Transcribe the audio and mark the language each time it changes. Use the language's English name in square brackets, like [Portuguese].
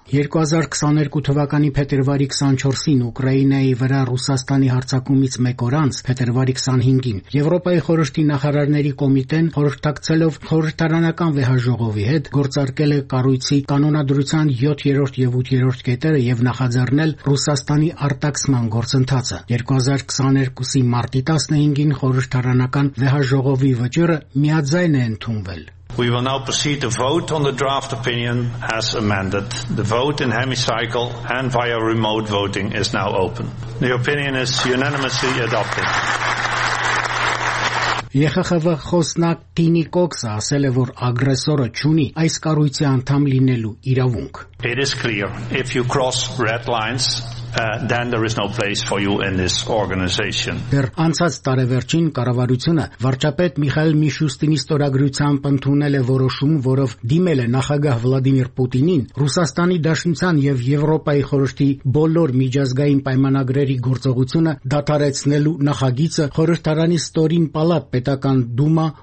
[Armenian] 2022 թվականի փետրվարի 24-ին Ուկրաինայի վրա Ռուսաստանի հարձակումից 1 օր անց, փետրվարի 25-ին, Եվրոպայի խորհրդի նախարարների կոմիտեն, խորհրդակցելով խորհրդարանական վեհաժողովի հետ, գործարկել է կառույցի կանոնադրության 7-րդ և 8-րդ կետերը և նախաձեռնել Ռուսաստանի արտաքսման գործընթացը։ 2022-ի մարտի 15-ին խորհրդարանական վեհաժողովի վճիռը միաձայն է ընդունվել։ [English] We will now proceed to vote on the draft opinion as amended. The vote in hemicycle and via remote voting is now open. The opinion is unanimously adopted. [Armenian] ԵԽԽՎ խոսնակ Տինի Կոքսը ասել է, որ ագրեսորը չունի այս կառույցի անդամ լինելու իրավունք։ [English] It is clear if you cross red lines, then there is no place for you in this organization. [Armenian] Դեր անցած տարեվերջին կառավարությունը վարչապետ Միխայել Միշուստինի ստորագրությամբ ընդունել է որոշում, որով դիմել է նախագահ Վլադիմիր Պուտինին, Ռուսաստանի Դաշնության և Եվրոպայի խորհրդի բոլոր միջազգային պայմանագրերի գործողությունը դադարեցնելու նախագիծը խորհրդարանի ստորին պալատ պետական դումա